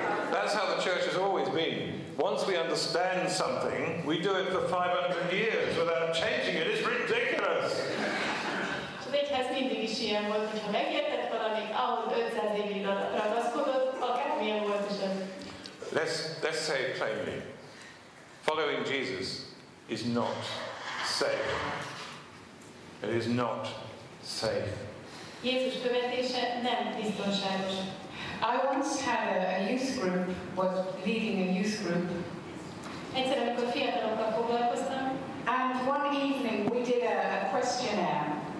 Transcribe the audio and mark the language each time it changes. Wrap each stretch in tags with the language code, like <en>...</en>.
<en>That's how the church has always been. Once we understand something, we do it for 500 years without changing it, it's ridiculous.</en> <hu>Ez mindig is ilyen volt, hogyha megértett valamit, ahogy 500 évig ragaszkodott, akármilyen volt is az.</hu> <en>Let's say it plainly. Following Jesus is not safe. It is not safe.</en> <hu>Jézus követése nem biztonságos.</hu> <en>I once had a youth group, was leading a youth group.</en> <hu>Egyszer, amikor fiatalokkal foglalkoztam.</hu> <en>And one evening we did a questionnaire.</en>